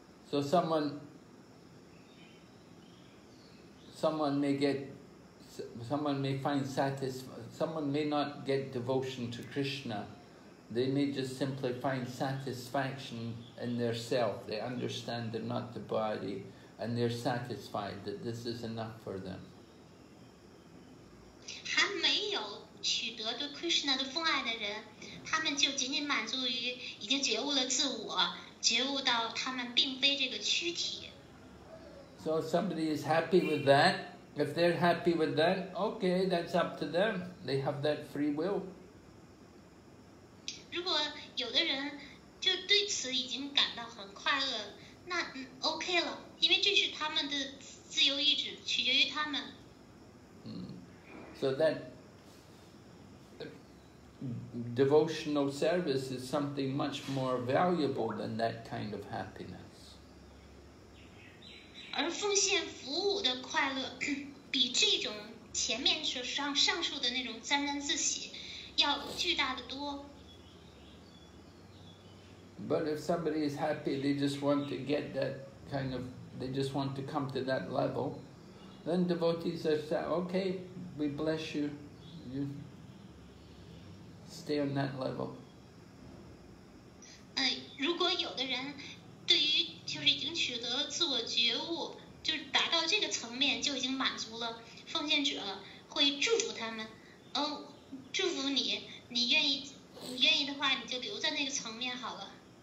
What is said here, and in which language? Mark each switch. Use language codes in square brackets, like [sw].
[en] So someone may not get devotion to Krishna. They may just simply find satisfaction in their self. They understand they're not the body, and they're satisfied that this is enough for them. [zh] 还没有取得对 Krishna 的奉爱的人，他们就仅仅满足于已经觉悟了自我，觉悟到他们并非这个躯体。 [en] So if somebody is happy with that, if they're happy with that, okay, that's up to them. They have that free will. [zh] 如果有的人就对此已经感到很快乐，那 OK 了，因为这是他们的自由意志，取决于他们。 [en] So that devotional service is something much more valuable than that kind of happiness. [zh] 而奉献服务的快乐，比这种前面所上述的那种沾沾自喜要巨大的多。 [en] But if somebody is happy, they just want to get that kind of, they just want to come to that level, then devotees are saying, okay, we bless you, you stay on that level. [zh] 如果有的人对于就是已经取得了自我觉悟，就是达到这个层面就已经满足了，奉献者会祝福他们，祝福你，你愿意的话，你就留在那个层面好了。